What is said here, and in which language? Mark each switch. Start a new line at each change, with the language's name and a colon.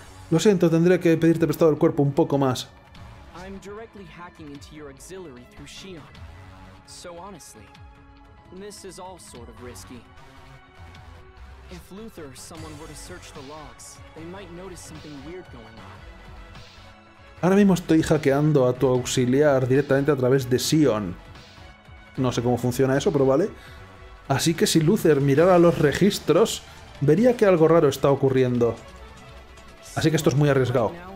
Spanish: Lo siento, tendré que pedirte prestado el cuerpo un poco más.
English: I'm directly hacking into your auxiliary through Shion. So honestly, this is all sort of risky. If Luther or someone were to search the logs, they might notice something weird going on.
Spanish: Ahora mismo estoy hackeando a tu auxiliar directamente a través de Shion. No sé cómo funciona eso, pero vale. Así que si Luther mirara los registros, vería que algo raro está ocurriendo. Así que esto es muy arriesgado.